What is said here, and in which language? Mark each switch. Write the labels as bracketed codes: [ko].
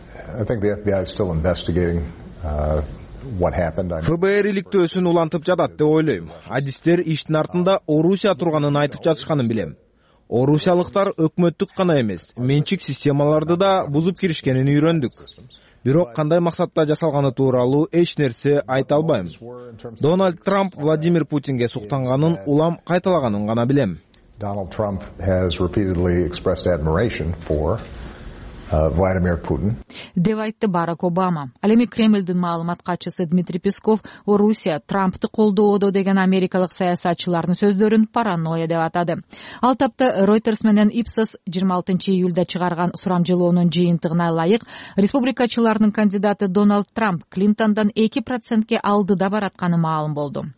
[en] I think the FBI is still investigating what happened. [ky] ФБР иликтөөсүн улантып жатат деп ойлойм. Адистер иштин артында Орусия турганын айтып жатышканын билем. Орусиялыктар өкмөттүк гана эмес, менчик системаларды да бузуп киришкенин үйрөндүк. Бирок кандай максатта жасалганы тууралуу эч нерсе айта албайм. Дональд Трамп Владимир Путинге суктанганын улам кайталаганын гана билем. [en] Donald Trump has repeatedly expressed admiration for Владимир Путин. [ky] Деп айтты Барак Обама. Ал эми Кремлдин маалымат катчысы Дмитрий Песков Орусия Трампты колдоодо деген америкалык саясатчылардын сөздөрүн паранойя деп атады. Ал тапта Reuters менен Ipsos 26 июлда чыгарган сурамжылоонун жыйынтыгына ылайык, республикачылардын кандидаты Дональд Трамп Клинтондон 2%ге алдыда баратканы маалым болду.